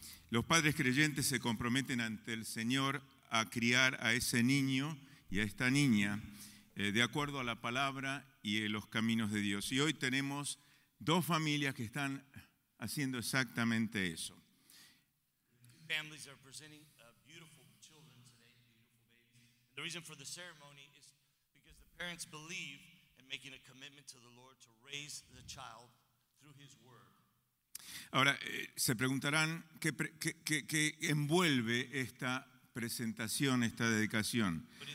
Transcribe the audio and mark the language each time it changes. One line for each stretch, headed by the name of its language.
Spanish: Los padres creyentes se comprometen ante el Señor a criar a ese niño y a esta niña de acuerdo a la palabra y los caminos de Dios. Y hoy tenemos dos familias que están haciendo exactamente eso.
English: Families are presenting beautiful children today, beautiful babies. And the reason for the ceremony is because the parents believe in making a commitment to the Lord to raise the child through His word.
Spanish: Ahora, se preguntarán qué envuelve esta presentación, esta dedicación.